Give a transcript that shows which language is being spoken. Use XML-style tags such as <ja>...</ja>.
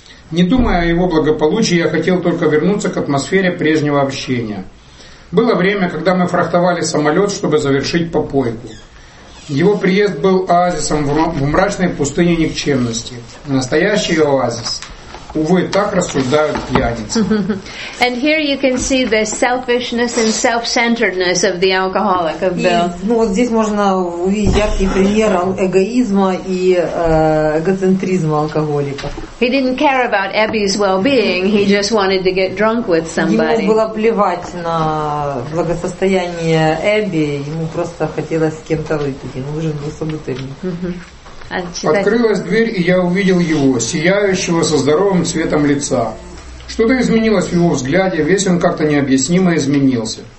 <ru>Не думая о его благополучии, я хотел только вернуться к атмосфере прежнего общения. Было время, когда мы фрахтовали самолет, чтобы завершить попойку. Его приезд был оазисом в мрачной пустыне никчемности. Настоящий оазис. Увы, так рассуждают пьяницы.</ru> <en>And here you can see the selfishness and self-centeredness of the alcoholic, of Bill.</en> <ru>Ну вот здесь можно увидеть яркий пример эгоизма и эгоцентризма алкоголика.</ru> <en>He didn't care about Abby's well-being. He just wanted to get drunk with somebody.</en> <ru>Ему было плевать на благосостояние Эбби. Ему просто хотелось с кем-то выпить. Ему нужен был собутыльник. Открылась дверь, и я увидел его, сияющего со здоровым цветом лица. Что-то изменилось в его взгляде, весь он как-то необъяснимо изменился.</ru>